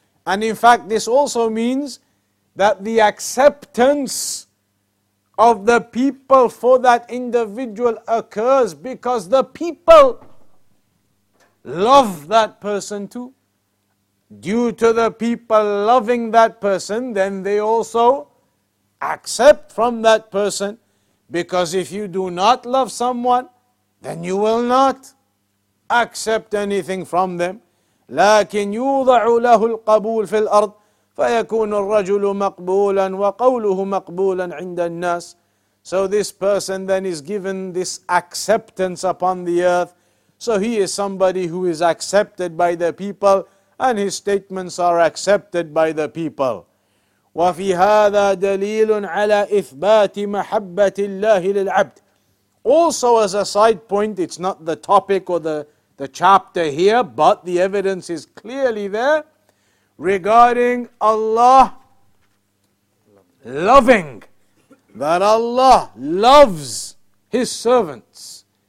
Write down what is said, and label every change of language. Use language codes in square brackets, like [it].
[en] And in fact, this also means that the acceptance of the people for that individual occurs because the people love that person too. Due to the people loving that person, then they also accept from that person. Because if you do not love someone, then you will not accept anything from them. [ar] لكن يوضع له القبول في الأرض فيكون الرجل مقبولا وقوله مقبولا عند الناس. [en] So this person then is given this acceptance upon the earth. So he is somebody who is accepted by the people, and his statements are accepted by the people. [ar] وفي هذا دليل على إثبات محبة الله للعبد. [en] Also, as a side point, it's not the topic or the chapter here, but the evidence is clearly there regarding Allah loving, that Allah loves His servants.